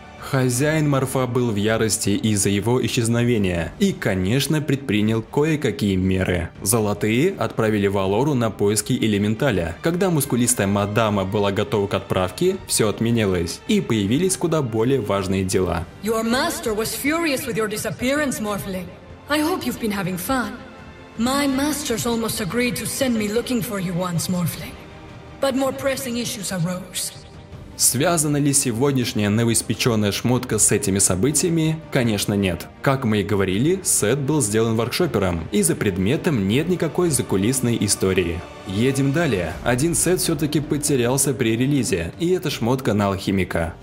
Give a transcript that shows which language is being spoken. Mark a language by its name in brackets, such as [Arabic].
[Russian] Хозяин Морфа был в ярости из-за его исчезновения и, конечно, предпринял кое-какие меры. Золотые отправили Валору на поиски элементаля. Когда мускулистая мадама была готова к отправке, все отменилось и появились куда более важные дела. [English] Your master was furious with your disappearance, Morphling. I hope you've been having fun. My master's almost agreed to send me looking for you once, Morphling. But more pressing issues arose. [Russian] Связана ли сегодняшняя новоиспеченная шмотка с этими событиями? Конечно, нет. Как мы и говорили, сет был сделан воркшопером, и за предметом нет никакой закулисной истории. Едем далее. Один сет все-таки потерялся при релизе, и это шмотка на алхимика.